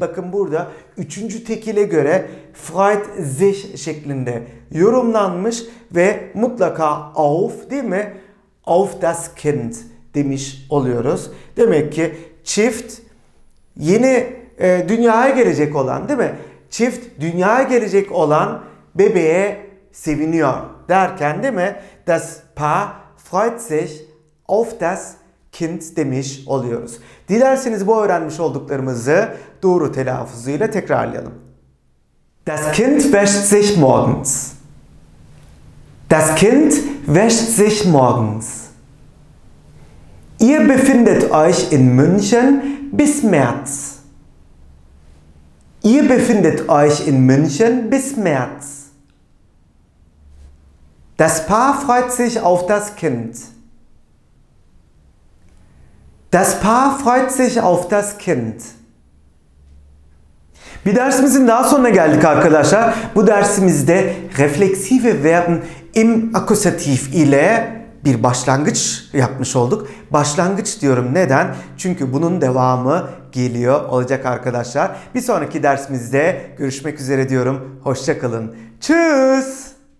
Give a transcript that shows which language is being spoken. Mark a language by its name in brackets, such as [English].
[Turkish] Bakın burada üçüncü tekile göre freut sich şeklinde yorumlanmış ve mutlaka auf, değil mi? Auf das Kind demiş oluyoruz. Demek ki çift yeni dünyaya gelecek olan, değil mi? Çift dünyaya gelecek olan bebeğe seviniyor derken, değil mi? [German] Das Paar freut sich auf das Kind [Turkish] demiş oluyoruz. Dilerseniz bu öğrenmiş olduklarımızı doğru telaffuzuyla tekrarlayalım. [German] Das Kind wäscht sich morgens. Das Kind wäscht sich morgens. Ihr befindet euch in München bis März. Ihr befindet euch in München bis März. Das Paar freut sich auf das Kind. Das Paar freut sich auf das Kind. [Turkish] Bir dersimizin daha sonuna geldik arkadaşlar. Bu dersimizde refleksive verben im akkusativ ile bir başlangıç yapmış olduk. Başlangıç diyorum neden? Çünkü bunun devamı geliyor olacak arkadaşlar. Bir sonraki dersimizde görüşmek üzere diyorum. Hoşça kalın. Tschüss.